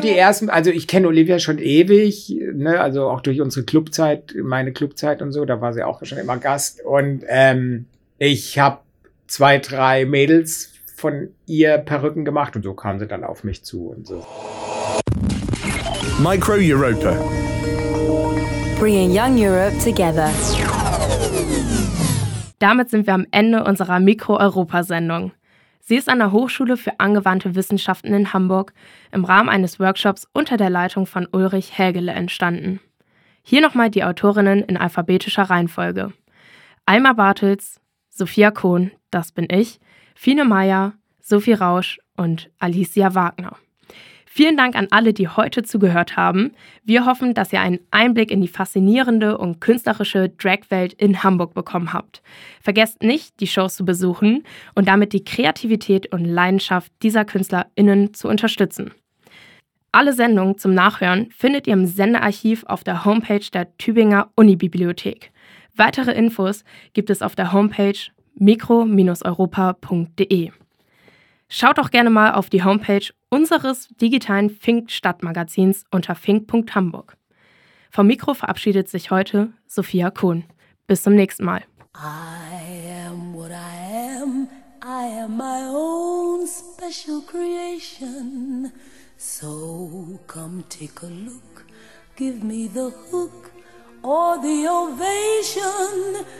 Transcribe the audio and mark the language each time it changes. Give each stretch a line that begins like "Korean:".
German: Die ersten, also ich kenne Olivia schon ewig, ne, also auch durch unsere Clubzeit, meine Clubzeit und so, da war sie auch schon immer Gast. Und ich habe 2-3 Mädels von ihr Perücken gemacht und so kam sie dann auf mich zu und so. Micro Europa.
English: Bringing young Europe together.
German: Damit sind wir am Ende unserer Mikro-Europa-Sendung. Sie ist an der Hochschule für angewandte Wissenschaften in Hamburg im Rahmen eines Workshops unter der Leitung von Ulrich Hägele entstanden. Hier nochmal die Autorinnen in alphabetischer Reihenfolge. Alma Bartels, Sophia Kohn, das bin ich, Fine Meyer, Sophie Rausch und Alicia Wagner. Vielen Dank an alle, die heute zugehört haben. Wir hoffen, dass ihr einen Einblick in die faszinierende und künstlerische Drag-Welt in Hamburg bekommen habt. Vergesst nicht, die Shows zu besuchen und damit die Kreativität und Leidenschaft dieser KünstlerInnen zu unterstützen. Alle Sendungen zum Nachhören findet ihr im Sendearchiv auf der Homepage der Tübinger Uni-Bibliothek. Weitere Infos gibt es auf der Homepage micro-europa.de. Schaut auch gerne mal auf die Homepage unseres digitalen Fink-Stadtmagazins unter fink.hamburg. Vom Mikro verabschiedet sich heute Sophia Kuhn. Bis zum nächsten Mal.
English: I am what I am my own special creation. So come take a look, give me the hook or the ovation.